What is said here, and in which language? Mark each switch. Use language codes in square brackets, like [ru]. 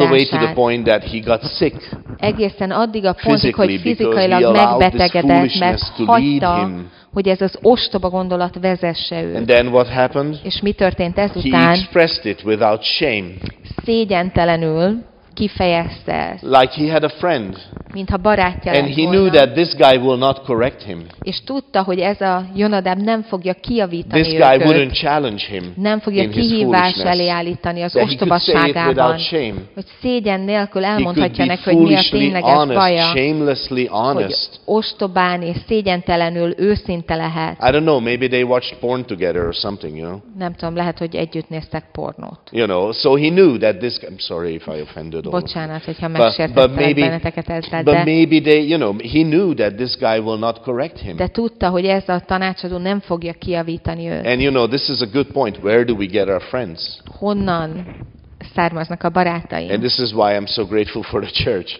[en] All the way to the point that he got sick. [hu] Egészen addig a pontig, hogy fizikailag megbetegedett, mert hagyta, hogy ez az ostoba gondolat vezesse őt. [en] And then what happened? [hu] És mi történt ezután? [en] He expressed it without shame. [hu] Szégyentelenül kifejezte ezt. [en] Like he had a friend. [hu] Mintha barátja lett volna. [en] And he knew that this guy will not correct him. [hu] És tudta, hogy ez a Jonadab nem fogja kijavítani [en] this [hu] őt. [en] Guy wouldn't challenge him. [hu] Nem fogja kihívás elé állítani az ostobaságában. Hogy szégyen nélkül elmondhatja neki, hogy mi a tényleges baja. [en] Shamelessly honest. [hu] Hogy ostobán és szégyentelenül őszinte lehet. [en] I don't know, maybe they watched porn together or something, you know. [hu] Nem tudom, lehet, hogy együtt néztek pornót. [en] You know, so he knew that this guy, I'm sorry if I offended all. [hu] Bocsánat, hogyha megsértettem benneteket ezzel. [en] But maybe they, you know, he knew that this guy will not correct him. [hu] De tudta, hogy ez a tanácsadó nem fogja kijavítani őt. [en] And you know, this is a good point. Where do we get our friends? [hu] Honnan származnak a barátaim? [en] And this is why I'm so grateful for the church.